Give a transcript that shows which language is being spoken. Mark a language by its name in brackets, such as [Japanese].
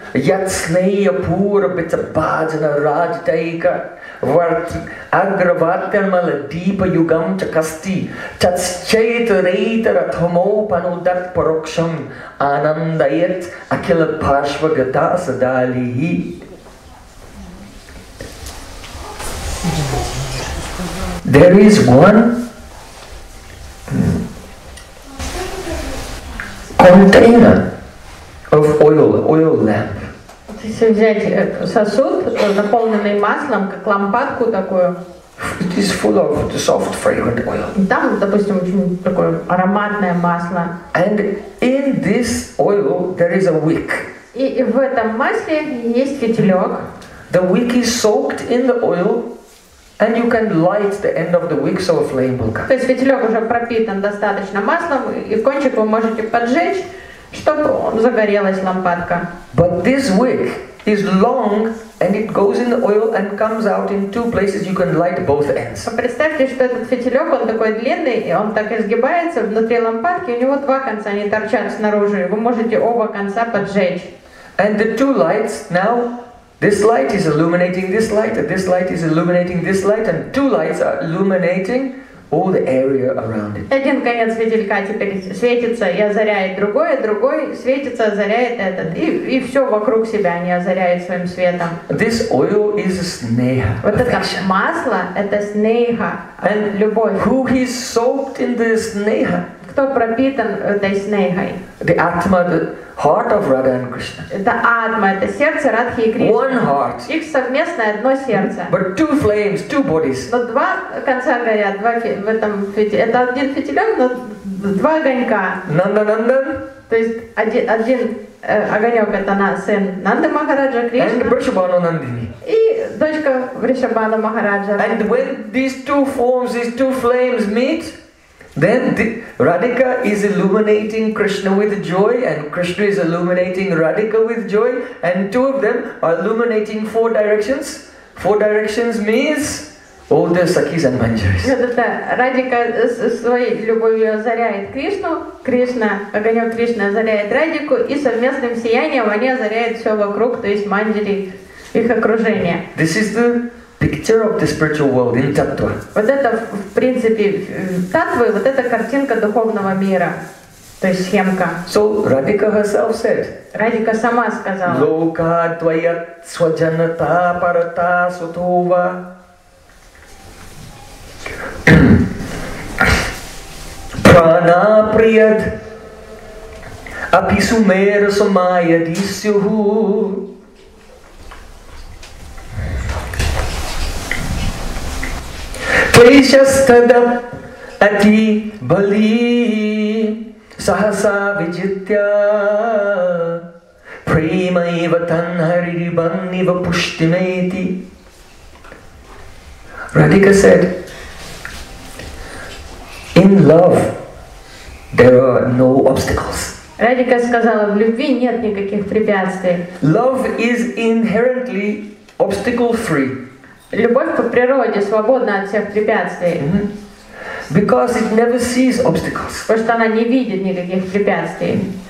[Sanskrit] Ятснея пура бита баджана раджтайка варт агравартермала дипа югам чакасти чатсчейт рейтара тхамопану дат парокшам анандает акила пашвагата садалихи. [English] There is one container of oil, oil lamp. [Russian] Если взять сосуд, наполненный маслом, как лампадку такую. [English] It is full of the soft fragrant oil. [Russian] Там, допустим, очень такое ароматное масло. [English] And in this oil there is a wick. [Russian] И в этом масле есть фитилек. [English] The wick is soaked in the oil. And you can light the end of the wick so a flame will come. [Russian] То есть фитилек уже пропитан достаточно маслом, и кончик вы можете поджечь, чтобы загорелась лампадка. [English] But this wick is long, and it goes in the oil and comes out in two places. You can light both ends. [Russian] Представьте, что этот фитилек, он такой длинный, и он так изгибается внутри лампадки, у него два конца, они торчат снаружи, и вы можете оба конца поджечь. [English] And the two lights now. This light is illuminating this light, and this light is illuminating this light, and two lights are illuminating all the area around it. [Russian] Один конец фитилька теперь светится и озаряет другой, другой светится, озаряет этот, и все вокруг себя они озаряют своим светом. [English] This oil is sneha. [Russian] Вот это масло, это снеха, [English] and [Russian] любовь. [English] Who is soaked in the sneha? [Russian] Кто пропитан этой снехой? [English] The atma, the heart of Radha and Krishna. [Russian] Это атма, это сердце Радхи и Кришны. [English] One heart. [Russian] Их совместное одно сердце. [English] But two flames, two bodies. [Russian] Но два конца горят, два в этом фитиле. Это один фитилек, но два огонька. Нанда-нандан. То есть один огонек — это на сын Нанды Махараджа Кришна. [English] And Вришабану Нандини. [Russian] И дочка Вришабану Махараджа. [English] And when these two forms, these two flames meet, then Radhika is illuminating Krishna with joy, and Krishna is illuminating Radhika with joy, and two of them are illuminating four directions. Four directions means all the sakis and manjaris. [Russian] Radhika своей любовью озаряет Кришну, Кришна, огонек Кришны озаряет Радику, и совместным сиянием они озаряют все вокруг, то есть манджари, их окружение. [English] This is the picture of the spiritual world in tattva. [Russian] Вот это в принципе таттвы, вот это картинка духовного мира, то есть схемка. [English] So Radhika herself said. [Russian] Radhika сама сказала. [Sanskrit] Лока твоя сваджаната парата сутува. Прана прият аписумера сумая дисюху. Пришастада ати бали сахаса вичитья према ива танхари банни ва пуштимети. [English] Radhika said, in love there are no obstacles. [Russian] Radhika сказала, в любви нет никаких препятствий. [English] Love is inherently obstacle free. [Russian] Любовь по природе свободна от всех препятствий. Mm-hmm. [English] Because it never sees obstacles. [Russian] Потому что она не видит никаких препятствий.